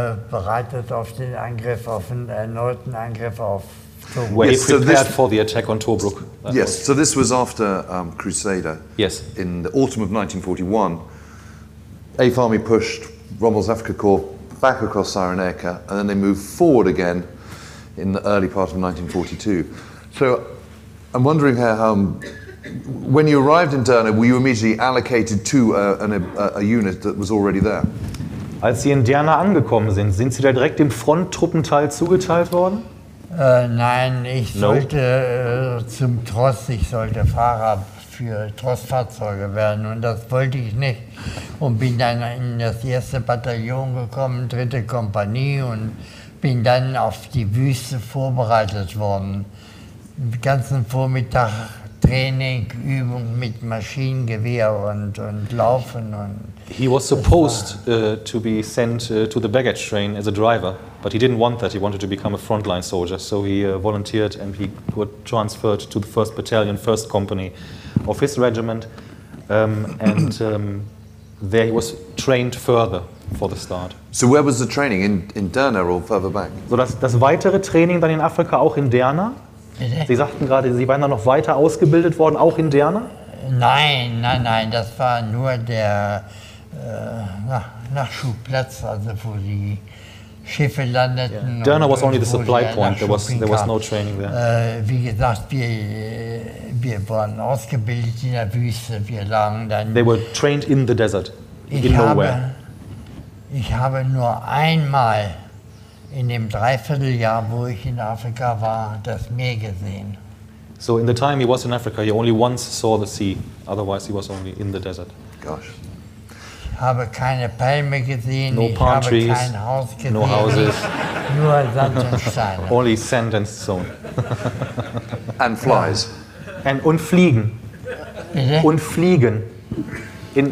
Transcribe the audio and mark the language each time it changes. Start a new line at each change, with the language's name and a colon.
German: Bereitet auf den Angriff, auf den erneuten Angriff auf Tobruk.
English: Where he prepared for the attack on Tobruk. Yes, so this was after Crusader. Yes. In the autumn of 1941, 8th Army pushed Rommel's Afrika Corps back across Cyrenaica, and then they moved forward again in the early part of 1942. So I'm wondering how... When you arrived in Derna, were you immediately allocated to a unit that was already there?
German: Als Sie in Derna angekommen sind, sind Sie da direkt dem Fronttruppenteil zugeteilt worden? Nein, ich sollte zum Tross, ich sollte Fahrer für Trossfahrzeuge werden, und das wollte ich nicht. Und bin dann in das erste Bataillon gekommen, dritte Kompanie, und bin dann auf die Wüste vorbereitet worden. Den ganzen Vormittag Training, Übung mit Maschinengewehr und Laufen und...
English: He was supposed to be sent to the baggage train as a driver, but he didn't want that. He wanted to become a frontline soldier, so he volunteered and he got transferred to the 1st Battalion, 1st Company of his regiment, and there he was trained further for the start. So where was the training? In Derna or further back?
German: So das weitere Training dann in Afrika auch in Derna? Sie sagten gerade, Sie waren da noch weiter ausgebildet worden, auch in Derna? Nein, das war nur der Nachschubplatz, also wo die Schiffe landeten.
English: Yeah. Derna was only the supply point. There was no training there.
German: Wie gesagt, wir waren ausgebildet in der Wüste. Wir lagen dann.
English: They were trained in the desert, in nowhere.
German: Ich habe nur einmal in dem Dreivierteljahr, wo ich in Afrika war, das Meer gesehen.
English: So in the time he was in Africa, he only once saw the sea. Otherwise, he was only in the desert. Gosh.
German: Ich habe keine Palme gesehen,
English: no palm
German: ich
English: trees,
German: habe kein Haus gesehen,
English: no houses.
German: Nur Sand und Steine.
English: Only sand and stone. And flies.
German: Ja. Und Fliegen. Bitte? Und Fliegen. In